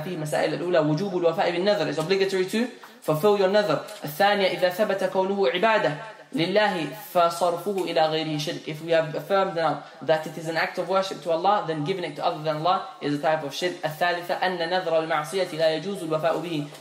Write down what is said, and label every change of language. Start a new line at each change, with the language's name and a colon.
Arabic: في مسائل الأولى وجوب الوفاء بالنذر,
English: it's obligatory to fulfill your nadr.
Arabic: الثانية إذا ثبت كونه عبادة لله فصرفه إلى غيره شرك.
English: If we have affirmed now that it is an act of worship to Allah, then giving it to other than Allah is a type of shirk.
Arabic: الثالثة أن نذر المعصية لا يجوز الوفاء به.